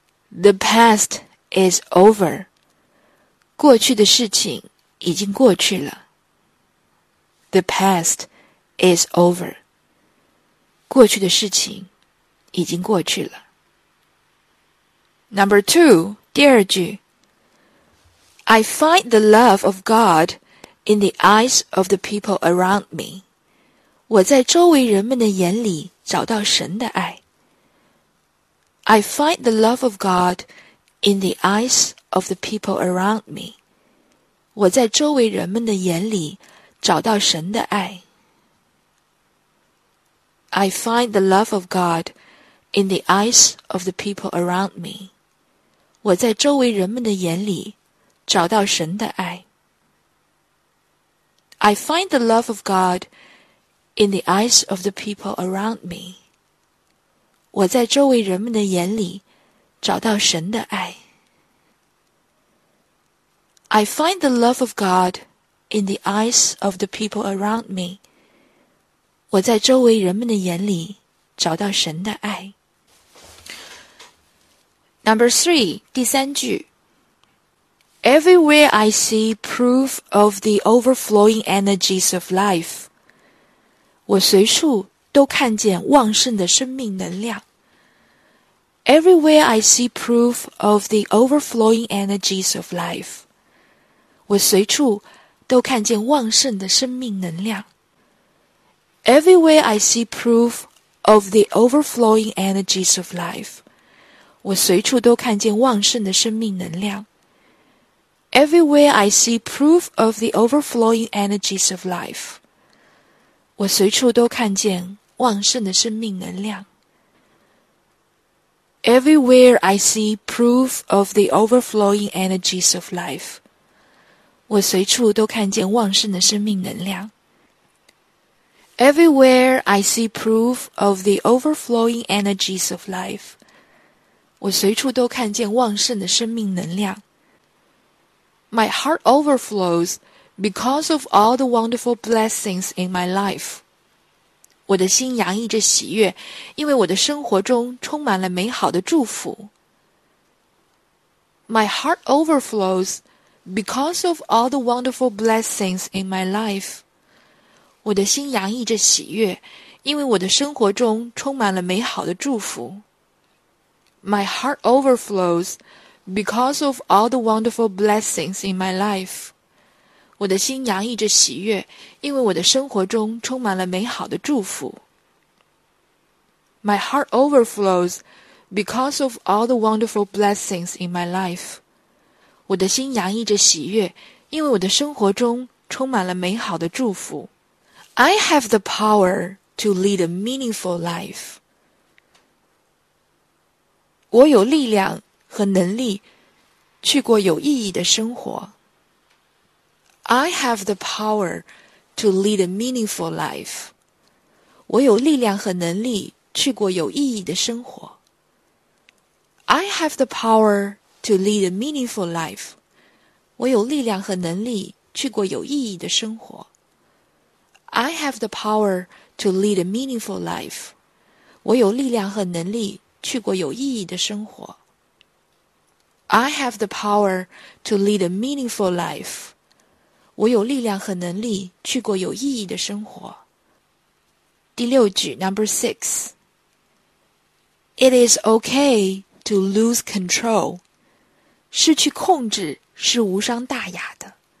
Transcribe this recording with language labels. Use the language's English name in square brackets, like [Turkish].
[English] The past is over. [Chinese] 过去的事情已经过去了。 [English] The past is over. [Chinese] 过去的事情已经过去了。 [English] Number two, [Chinese] 第二句 [English] I find the love of God in the eyes of the people around me. [Chinese] 我在周围人们的眼里找到神的爱。 [English] I find the love of God in the eyes of the people around me. [Chinese] 我在周围人们的眼里找到神的爱。 [English] I find the love of God in the eyes of the people around me. [Chinese] 我在周围人们的眼里找到神的爱。 [English] I find the love of God in the eyes of the people around me. [Chinese] 我在周围人们的眼里找到神的爱。 [English] I find the love of God in the eyes of the people around me. [Chinese] 我在周围人们的眼里找到神的爱。 [English] Number three, [Chinese] 第三句。 [English] Everywhere I see proof of the overflowing energies of life. [Chinese] 我随处都看见旺盛的生命能量。 [English] Everywhere I see proof of the overflowing energies of life. [Chinese] 我随处都看见旺盛的生命能量。 [English] Everywhere I see proof of the overflowing energies of life. [Chinese] 我随处都看见旺盛的生命能量。 [English] Everywhere I see proof of the overflowing energies of life. [Chinese] 我随处都看见旺盛的生命能量。 [English] Everywhere I see proof of the overflowing energies of life. [Chinese] 我随处都看见旺盛的生命能量。 [English] Everywhere I see proof of the overflowing energies of life. [Chinese] 我随处都看见旺盛的生命能量。 [English] My heart overflows because of all the wonderful blessings in my life. [Chinese] 我的心洋溢着喜悦，因为我的生活中充满了美好的祝福。 [English] My heart overflows because of all the wonderful blessings in my life. [Chinese] 我的心洋溢着喜悦，因为我的生活中充满了美好的祝福。 [English] My heart overflows because of all the wonderful blessings in my life. [Chinese] 我的心洋溢着喜悦，因为我的生活中充满了美好的祝福。 [English] My heart overflows because of all the wonderful blessings in my life. [Chinese] 我的心洋溢着喜悦，因为我的生活中充满了美好的祝福。 [English] I have the power to lead a meaningful life. [Chinese] 我有力量和能力去过有意义的生活。 [English] I have the power to lead a meaningful life. [Chinese] 我有力量和能力去过有意义的生活。 [English] I have the power to lead a meaningful life. [Chinese] 我有力量和能力去过有意义的生活。 [English] I have the power to lead a meaningful life. [Chinese] 我有力量和能力去过有意义的生活。 [English] I have the power to lead a meaningful life. [Chinese] 我有力量和能力去过有意义的生活。第六句 [English] ,Number six. It is okay to lose control. [Chinese] 失去控制是无伤大雅的。